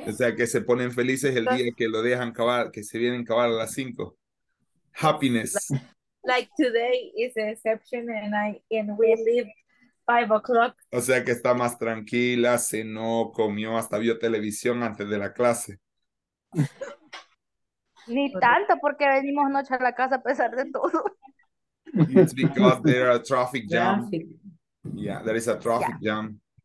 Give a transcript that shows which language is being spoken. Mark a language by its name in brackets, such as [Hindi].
[Spanish] O sea, que se ponen felices el día que lo dejan acabar, que se vienen a acabar a las 5. [English] Happiness. Like today is the exception and we leave 5 o'clock. [Spanish] O sea, que está más tranquila, cenó, comió, hasta vio televisión antes de la clase. Ni tanto, porque venimos noche a la casa a pesar de todo. [English] It's because there are a traffic jam. Yeah, there is a traffic jam.